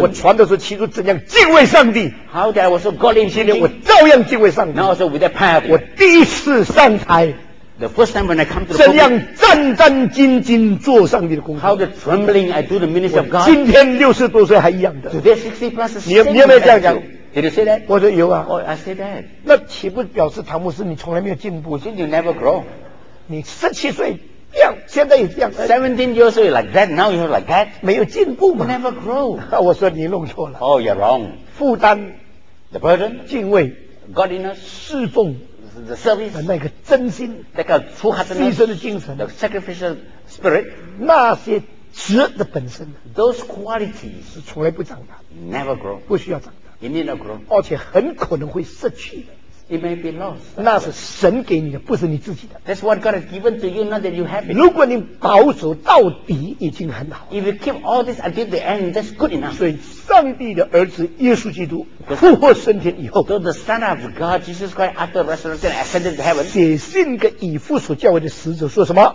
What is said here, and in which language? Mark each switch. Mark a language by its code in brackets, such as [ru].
[zh] 我传的时候，起初怎样敬畏上帝 [en] ？How did I was so godly? [zh] 现在我照样敬畏上帝。 [en] Now also with that piety. [zh] 我第一次上台。 [en] The first time when I come to the [zh] 怎样战战兢兢做上帝的工作 [en] ？How the trembling I do the ministry of God？ [zh] 今天六十多岁还一样的。 [en] Today 60+ [zh] 你有没有这样讲 [en] ？Did you say that？ [zh] 我说有啊。 [en] Oh, I say that。 [zh] 那岂不表示唐牧师你从来没有进步 [en] ？Since you never grow， [zh] 你17岁这样，现在也这样。 [en] 17 years old like that， now you're like that， [zh] 没有进步嘛 [en] ？Never grow。 [zh] 我说你弄错了。 [en] Oh, you're wrong。 [zh] 负担 [en] ，the burden， [zh] 敬畏 [en] ，godliness， [zh] 侍奉。 [en] The service, [zh] 那个真心，那个出发 [en] 牺牲的精神，the sacrificial spirit， [zh] 那些值的本身 [en] ，those qualities [zh] 是从来不长大 [en] ，never grow， [zh] 不需要长大 [en] ，it need not grow， [zh] 而且很可能会失去 [en] ，it may be lost， [zh] 那是神给你的，不是你自己的 [en] ，that's what God has given to you， not that you have it。 [zh] 如果你保守到底，已经很好 [en] ，if you keep all this until the end， that's good enough。 [zh] 所以，上帝的儿子耶稣基督。复活升天以后 [en] ，the Son of God Jesus Christ after resurrection ascended to heaven， [zh] 写信给以弗所教会的使者说什么